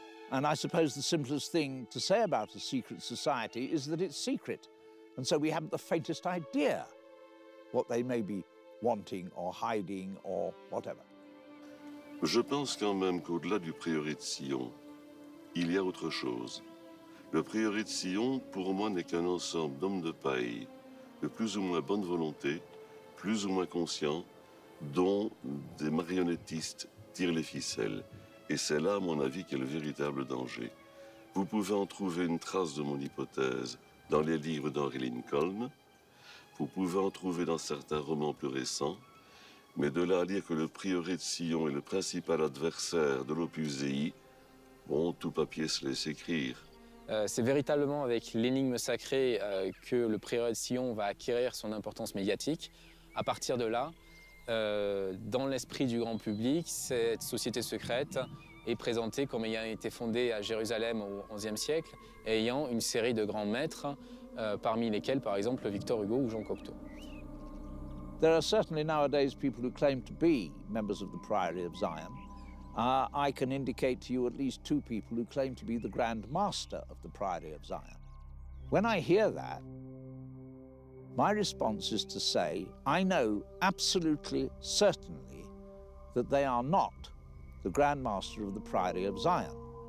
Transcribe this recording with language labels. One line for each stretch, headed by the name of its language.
English: And I suppose the simplest thing to say about a secret society is that it's secret. And so we haven't the faintest idea what they may be wanting or hiding or whatever.
French: Je pense quand même qu'au-delà du prieuré de Sion, il y a autre chose. Le prieuré de Sion, pour moi, n'est qu'un ensemble d'hommes de paille, de plus ou moins bonne volonté, plus ou moins conscients, dont des marionnettistes tirent les ficelles. Et c'est là, à mon avis, qu'est le véritable danger. Vous pouvez en trouver une trace de mon hypothèse dans les livres d'Henry Lincoln, vous pouvez en trouver dans certains romans plus récents, mais de là à lire que le prieuré de Sion est le principal adversaire de l'Opus Dei, bon, tout papier se laisse écrire. C'est véritablement avec l'énigme sacrée que le prieuré de Sion va acquérir son importance médiatique. À partir de là, dans l'esprit du grand public, cette société secrète est présentée comme ayant été fondée à Jérusalem au XIe siècle et ayant une série de grands maîtres, parmi lesquels, par exemple, Victor Hugo ou Jean Cocteau.
English: There are certainly nowadays people who claim to be members of the Priory of Zion. I can indicate to you at least two people who claim to be the Grand Master of the Priory of Zion. When I hear that, my response is to say, I know absolutely, certainly, that they are not the Grand Master of the Priory of Zion.